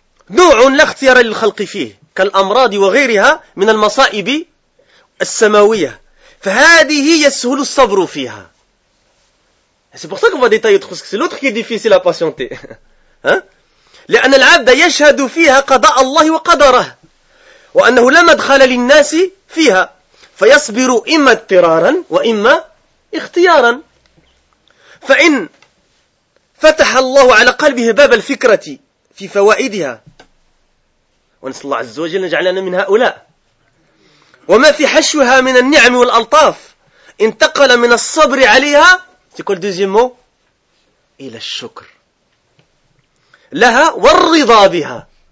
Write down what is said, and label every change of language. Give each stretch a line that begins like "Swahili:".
Arabic: نوعٌ لا اختيار للخلق فيه كالأمراض وغيرها من المصائب السماوية فهذه يسهل الصبر فيها.
French: C'est pour ça qu'on va détailler autre chose, c'est l'autre qui est difficile à patienter.
Arabic: Hein? لأن العبد يشهد فيها قضاء الله وقدره وأنه لا مدخل للناس فيها فيصبر إما اضطرارا وإما اختيارا. فإن فتح الله على قلبه باب الفكرة في فوائدها، ونسأل الله عز وجل نجعلنا من هؤلاء، وما في حشوها من النعم والألطاف، انتقل من الصبر عليها إلى الشكر لها والرضا بها.